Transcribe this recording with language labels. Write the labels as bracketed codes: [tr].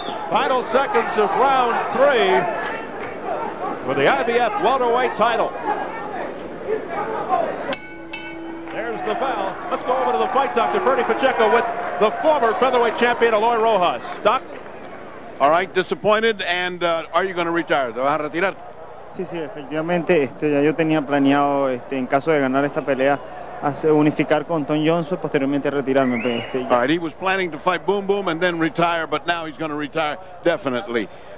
[en] Final seconds of round three for the IBF welterweight title. There's the bell. Let's go over to the fight, Dr. Bernie Pacheco, with the former featherweight champion, Aloy Rojas. Doc? All right, disappointed, and are you going to retire? [es] ¿Te vas a retirar? Sí, sí, efectivamente, ya yo tenía planeado, en caso de ganar esta pelea, unificar con Tom Johnson, posteriormente retirarme. [en] All right, he was planning to fight Boom Boom and then retire, but now he's going to retire definitely.